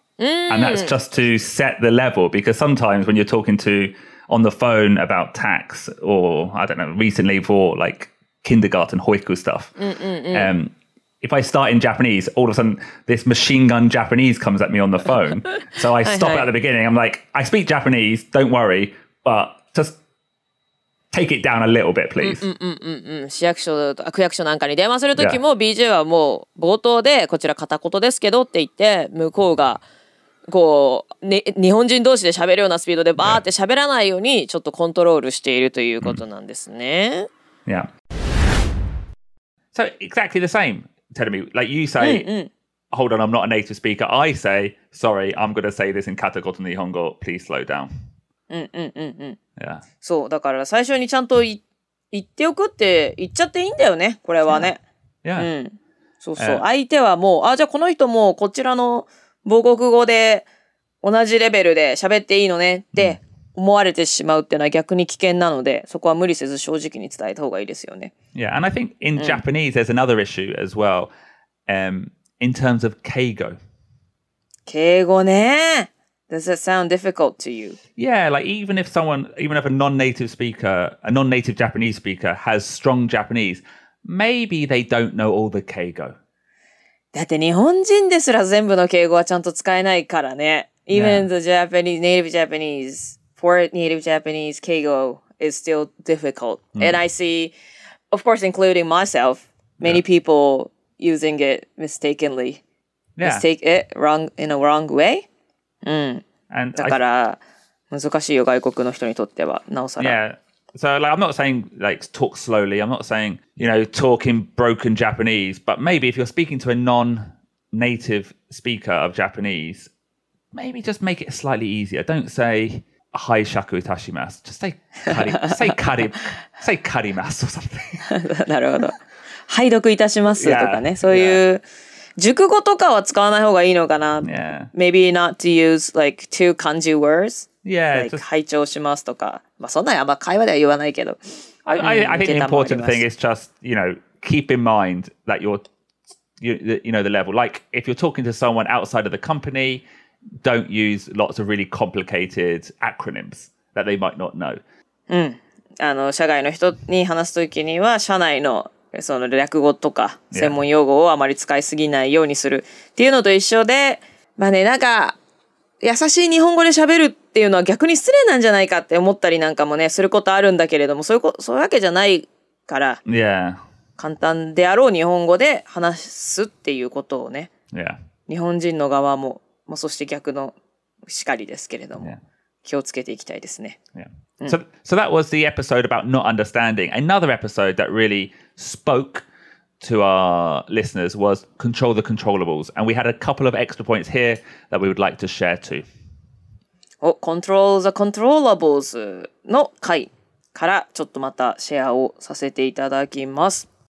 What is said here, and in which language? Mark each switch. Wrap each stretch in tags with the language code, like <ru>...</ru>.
<en>And that's just to set the level because sometimes when you're talking to on the phone about tax or I don't know recently for like. Kindergarten, hoiku stuff. If I start in Japanese, all of a sudden this machine gun Japanese comes at me on the phone. So I stop at the beginning. I'm like, I speak Japanese, don't worry, but just take it down a little bit, please.</en> <ja>市役所と区役所なんかに電話するときも、BJ はもう冒頭でこちら片言ですけどって言って向こうがこう、ね、日本人同士で喋るようなスピードでバーって喋らないようにちょっとコントロールしているということなんですね。</ja> <en>Yeah. So exactly the same, Terumi. Like you say, hold on, I'm not a native speaker. I say, sorry, I'm going to say this in</en> <ja>katakoto nihongo.</ja> <en>Please slow down. Yeah.</en> <ja>そうだから最初にちゃんと言っておくって言っちゃっていいんだよね。これはね。</ja> <en>Yeah.</en> <ja>そうそう。相手はもうあじゃあこの人もこちらの母国語で同じレベルで喋っていいのねって。思われてしまうっていうのは逆に危険なので、そこは無理せず正直に伝えた方がいいですよね。</ja> <en>Yeah, and I think in Japanese there's another issue as well, in terms of 敬語。</en> <ja>敬語ね。</ja> <en>Does that sound difficult to you? Yeah, like even if a non-native speaker, a non-native Japanese speaker has strong Japanese, maybe they don't know all the 敬語。</en> <ja>だって日本人ですら全部の敬語はちゃんと使えないからね。</ja> <en>Even the Japanese, native Japanese. For native Japanese, keigo is still difficult. And I see, of course, including myself, many people using it mistakenly. Yeah. Mistake it wrong, in a wrong way. And</en> <ja>だから難しいよ、外国の人にとっては、なおさら。</ja> <en>Yeah. So like, I'm not saying like, talk slowly. I'm not saying, you know, talk in broken Japanese. But maybe if you're speaking to a non-native speaker of Japanese, maybe just make it slightly easier. Don't say...</en> <ja>Hi shaku itashimasu.</ja> <en>Just say say karimasu or something.</en> <ja>なるほど。拝読いたしますとかね。そういう熟語とかは使わない方がいいのかな。</ja> <en>Maybe not to use like two kanji words. Yeah.</en> <ja>拝聴しますとか。まあそんなあんま会話では言わないけど。</ja> <en>I think the important thing is just, you know, keep in mind that you're, you know, the level. Like if you're talking to someone outside of the company, don't use lots of really complicated acronyms that they might not know.</en> <ja>うん。あの、社外の人に話すときには、社内のその略語とか専門用語をあまり使いすぎないようにするっていうのと一緒で、まあね、なんか、優しい日本語で喋るっていうのは逆に失礼なんじゃないかって思ったりなんかもね、することあるんだけれども、そういうわけじゃないから、簡単であろう日本語で話すっていうことをね、日本人の側も、まあ、そして逆のしかりですけれども、気をつけていきたいですね。</ja> <en>So that was the episode about not understanding. Another episode that really spoke to our listeners was control the controllables. And we had a couple of extra points here that we would like to share too. Oh, control the controllables</en> <ja>の回からちょっとまたシェアをさせていただきます。</ja>